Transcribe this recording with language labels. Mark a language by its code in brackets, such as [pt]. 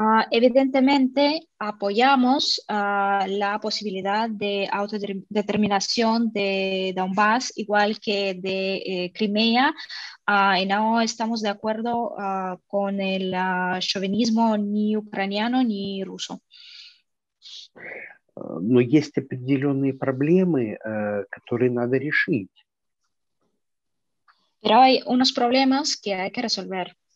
[es] Evidentemente apoyamos la posibilidad de autodeterminación de Donbass, igual que de Crimea. Y no estamos de acuerdo con el chauvinismo ni ucraniano ni ruso. [ru] Но есть определенные проблемы, которые надо решить. [es] Pero hay unos problemas que hay que resolver.